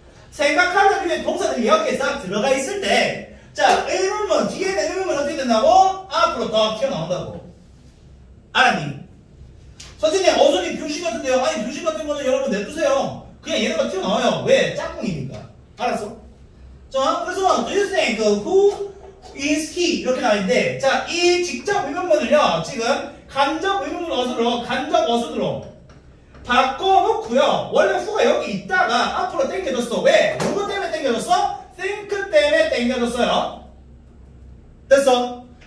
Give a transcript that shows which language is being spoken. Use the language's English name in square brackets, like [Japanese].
[Korean] 생각하다, 류의 동사들이 이렇게 싹 들어가 있을 때, 자, 의문문, 뒤에 있는 의문문 어떻게 된다고? 앞으로 딱 튀어나온다고. 알았니? 선생님, 어선이 교신 같은데요? 아니, 교신 같은 거는 여러분 냅두세요. 그냥 얘네가 튀어나와요. 왜? 짝꿍이니까. 알았어? 자, 그래서, [English] do you think who is he? [Korean] 이렇게 나와있는데, 자, 이 직접 의문문을요, 지금, 간접 의문문 어순으로, 간접 어순으로, 바꿔놓고요, 원래 후가 여기 있다가, 앞으로 땡겨줬어. 왜? 누구 때문에 땡겨줬어? think 때문에 땡겨줬어요. 됐어?